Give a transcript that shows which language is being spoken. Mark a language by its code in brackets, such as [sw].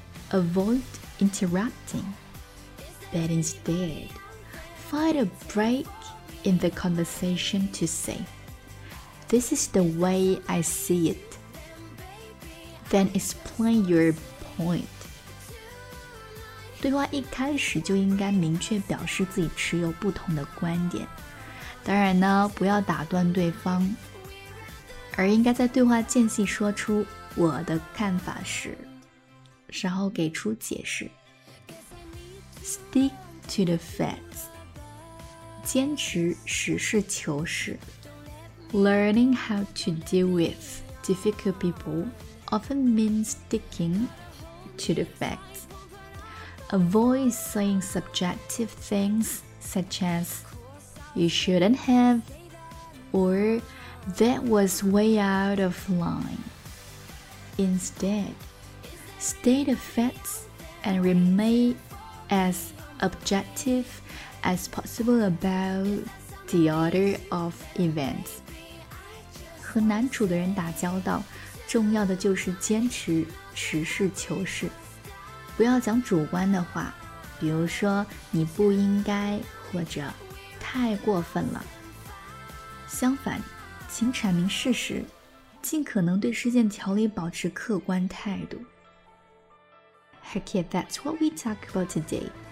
[en] Avoid interrupting. But instead, find a break in the conversation to say, "This is the way I see it." Then explain your point. [zh] 对话一开始就应该明确表示自己持有不同的观点。当然呢，不要打断对方，而应该在对话间隙说出我的看法时，然后给出解释。 [en] Stick to the facts. [zh] 坚持实事求是。 [en] Learning how to deal with difficult people often means sticking to the facts. Avoid saying subjective things such as you shouldn't have or that was way out of line. Instead, state the facts and remainas objective as possible about the order of events. [zh] 和难处的人打交道，重要的就是坚持实事求是，不要讲主观的话，比如说你不应该或者太过分了。相反，请阐明事实，尽可能对事件条理保持客观态度。 [en] Heck yeah, that's what we talk about today.